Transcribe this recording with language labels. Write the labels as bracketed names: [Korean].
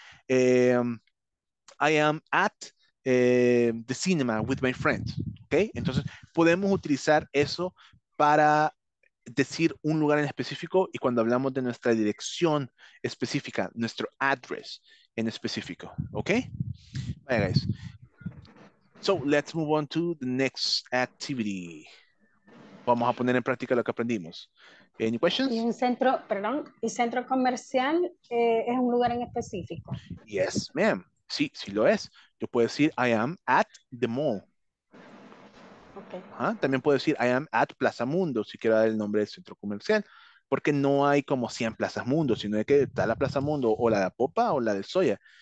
[English] I am at the cinema with my friend. [Spanish] ¿Ok? Entonces, podemos utilizar eso para decir un lugar en específico, y cuando hablamos de nuestra dirección específica, nuestro address en específico, ¿ok? [English] Bye, guys. So, let's move on to the next activity. [Spanish] Vamos a poner en práctica lo que aprendimos. [English] Any questions? [Spanish] Y un centro, perdón, y centro comercial es un lugar en específico. [English] Yes, ma'am. [Spanish] Sí, sí lo es. Yo puedo decir, [English] I am at the mall. Okay. [Spanish] También puedo decir, [English] I am at Plaza Mundo, [Spanish] si quiero dar el nombre del centro comercial, porque no hay como 100 Plazas Mundo, sino que está la Plaza Mundo, o la de Popa, o la del Soya.